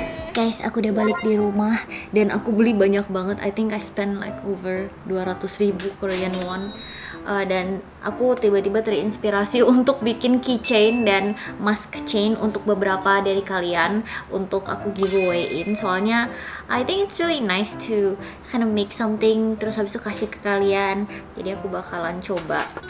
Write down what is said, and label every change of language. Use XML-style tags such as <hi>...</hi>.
<id>Guys, aku udah balik di rumah dan aku beli banyak banget.</id> <en>I think I spend like over 200.000 Korean won.</en> <id>Dan aku tiba-tiba terinspirasi untuk bikin keychain dan mask chain untuk beberapa dari kalian untuk aku giveaway-in.</id> <en>Soalnya I think it's really nice to kind of make something</en> <id>terus habis itu kasih ke kalian. Jadi aku bakalan coba.</id>